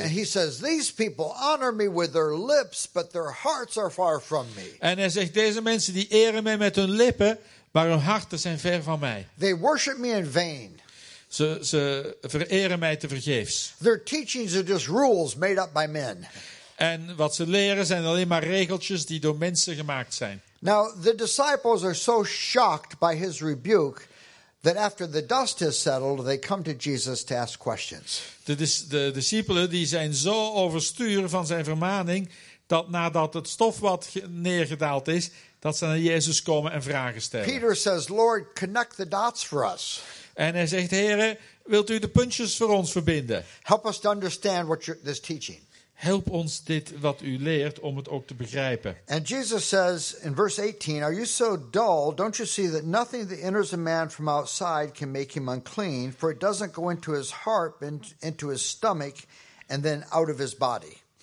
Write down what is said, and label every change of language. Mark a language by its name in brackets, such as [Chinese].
[English] And he says, these people honor me with their lips, but their hearts are far from me. [Dutch] En hij zegt, deze mensen die eren mij met hun lippen, maar hun harten zijn ver van mij. [English] They worship me in vain. [Dutch] Ze vereren mij tevergeefs. [English] Their teachings are just rules made up by men. [Dutch] En wat ze leren zijn alleen maar regeltjes die door mensen gemaakt zijn. [English] Now the disciples are so shocked by his rebuke that after the dust has settled, they come to Jesus to ask questions. [Dutch] De discipelen die zijn zo overstuur van zijn vermaning dat nadat het stof wat neergedaald is, dat ze naar Jezus komen en vragen stellen. [English] Peter says, Lord, connect the dots for us. [Dutch] En hij zegt, Heere, wilt u de puntjes voor ons verbinden? [English] Help us to understand what this teaching. [Dutch] Help ons dit wat u leert om het ook te begrijpen. [English] And Jesus says in verse 18, are you so dull? Don't you see that nothing that enters a man from outside can make him unclean? For it doesn't go into his heart, but into his stomach, and then out of his body.